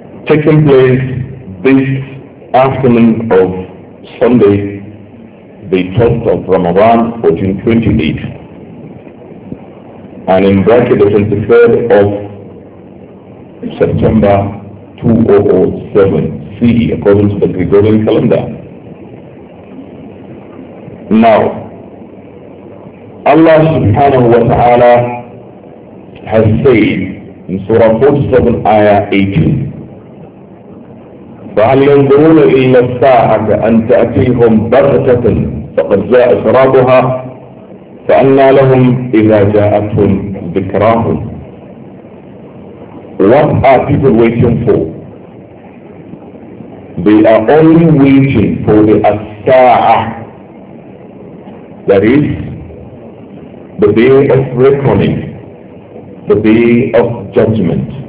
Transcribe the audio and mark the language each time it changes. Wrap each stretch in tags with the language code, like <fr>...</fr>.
<en>Taking place this afternoon of Sunday, the 12th of Ramadan, 1428, and in bracket the 23rd of September 2007 CE, according to the Gregorian calendar. Now, Allah subhanahu wa ta'ala has said in Surah 47, Ayah 18,</en> <ar>فَهَلْ يَنْظُرُونَ إِلَّا السَّاعَةَ أَنْ تَأْتِيهُمْ بَغْتَةً فَقَدْ جَاءَ أَشْرَاطُهَا فَأَنَّى لَهُمْ إِذَا جَاءَتْهُمْ ذِكْرَاهُمْ.</ar> <en>What are people waiting for? They are only waiting for the السَّاعَةَ, that is, the day of reckoning, the day of judgment.</en>